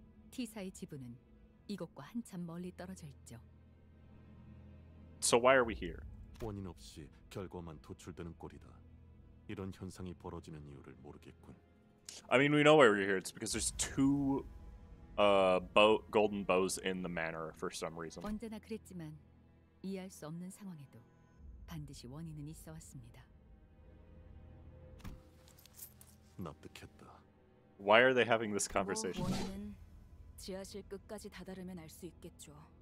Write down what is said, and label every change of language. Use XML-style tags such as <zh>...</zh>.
<ko>T사의 지부는 이곳과 한참 멀리 떨어져 있죠.</ko> <en>So why are we here?</en> <ko>원인 없이 결과만 도출되는 꼴이다. 이런 현상이 벌어지는 이유를 모르겠군.</ko> <en>I mean, we know why we're here. It's because there's two golden bows in the manor for some reason.</en> <ko>언제나 그랬지만 이해할 수 없는 상황에도 반드시 원인은 있어 왔습니다. 납득했다.</ko> <en>Why are they having this conversation?</en> <ko>원인은 지하실 끝까지 다다르면 알 수 있겠죠.</ko>